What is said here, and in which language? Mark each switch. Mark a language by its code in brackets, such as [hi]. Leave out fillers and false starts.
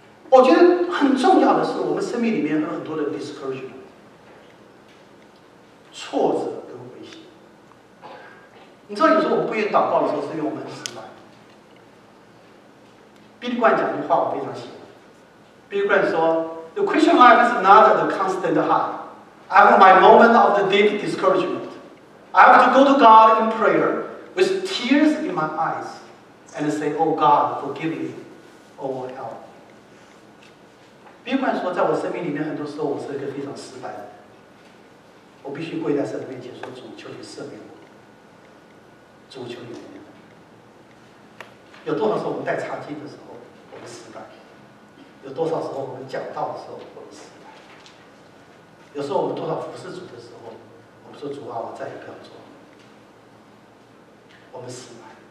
[zh] 我觉得很重要的是，我们生命里面有很多的 discouragement， 挫折跟危险。你知道，有时候我们不愿意祷告的时候，是因为我们很失败。 Billy Graham 讲一句话，我非常喜欢。 [en] Billy Graham 说 ：“The Christian life is not the constant high. I have my moment of the deep discouragement. I have to go to God in prayer with tears in my eyes and say, 'Oh God, forgive me, oh help.'” [zh] 比如说在我生命里面很多时候我是一个非常失败的，我必须跪在神面前说，主求你赦免我，主求你原谅。有多少时候我们带茶巾的时候我们失败，有多少时候我们讲道的时候我们失败，有时候我们多少服侍主的时候我们说，主啊，我再也不要做，我们失败。